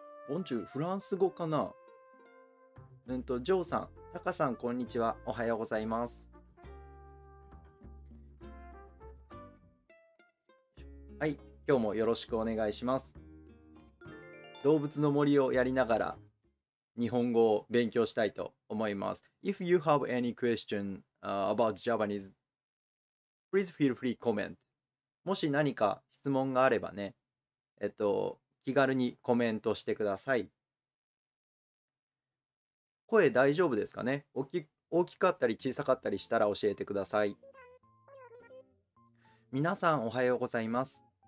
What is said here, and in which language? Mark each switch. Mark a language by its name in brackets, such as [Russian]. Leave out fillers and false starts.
[Japanese] ボンジュール、フランス語かな?ジョーさん、タカさん、こんにちは。おはようございます。はい、今日もよろしくお願いします。動物の森をやりながら日本語を勉強したいと思います。 [English] If you have any question about Japanese, please feel free to comment. [Japanese] もし何か質問があればね、気軽にコメントしてください。声大丈夫ですかね？大きかったり小さかったりしたら教えてください。皆さん、おはようございます。